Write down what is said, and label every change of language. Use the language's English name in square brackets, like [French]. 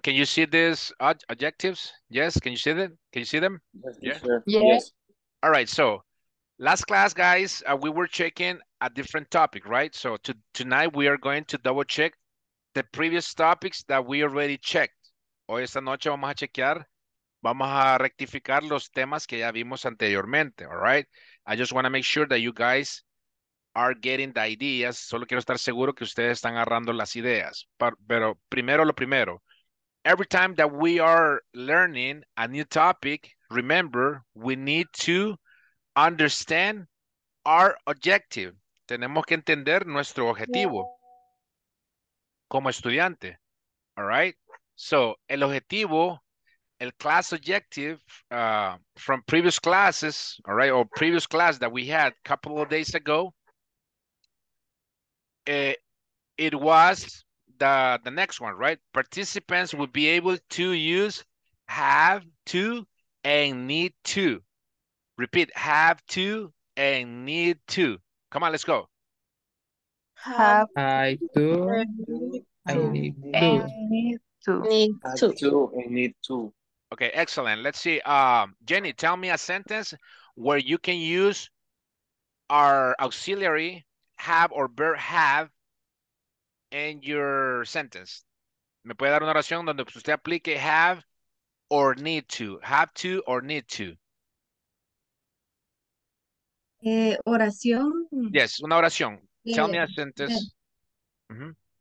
[English] Can you see these adjectives? Yes. Can you see them? Can you see them? Yes. All right. So last class, guys, we were checking a different topic, right? So tonight we are going to double check the previous topics that we already checked. [Spanish] Hoy esta noche vamos a chequear, vamos a rectificar los temas que ya vimos anteriormente, [English] all right? I just want to make sure that you guys are getting the ideas. [Spanish] Solo quiero estar seguro que ustedes están agarrando las ideas. Pero primero lo primero. [English] Every time that we are learning a new topic, remember, we need to understand our objective. [Spanish] Tenemos que entender nuestro objetivo. [English] Yeah. [Spanish] Como estudiante, [English] all right? So, [Spanish] el objetivo, el [English] class objective from previous classes, all right, or previous class that we had a couple of days ago, it was the next one, right? Participants would be able to use have to and need to. Repeat, have to and need to. Come on, let's go. Have to. I need to. Okay, excellent. Let's see. Jenny, tell me a sentence where you can use our auxiliary have or verb have in your sentence. [Spanish] ¿Me puede dar una oración donde usted aplique [English] have or need to? Have to or need to? [Spanish] Oración. [English] Yes, [Spanish] una oración. [English] Tell me a sentence. Yeah. Mm-hmm.